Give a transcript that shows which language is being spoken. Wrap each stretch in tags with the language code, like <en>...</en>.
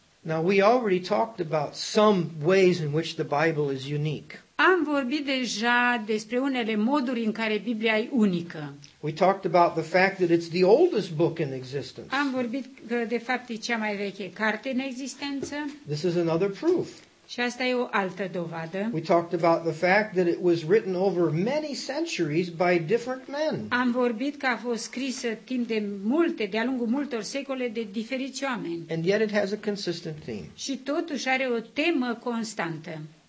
<en>Now we already talked about some ways in which the Bible is unique.</en> <ro>Am vorbit deja despre unele moduri în care Biblia e unică.</ro> <en>We talked about the fact that it's the oldest book in existence.</en> <ro>Am vorbit că de fapt e cea mai veche carte în existență.</ro> <en>This is another proof.</en> <ro>Și asta e o altă dovadă.</ro> <en>We talked about the fact that it was written over many centuries by different men.</en> <ro>Am vorbit că a fost scrisă timp de multe, de-a lungul multor secole de diferiți oameni.</ro> <en>And yet it has a consistent theme.</en> <ro>Și totuși are o temă constantă.</ro>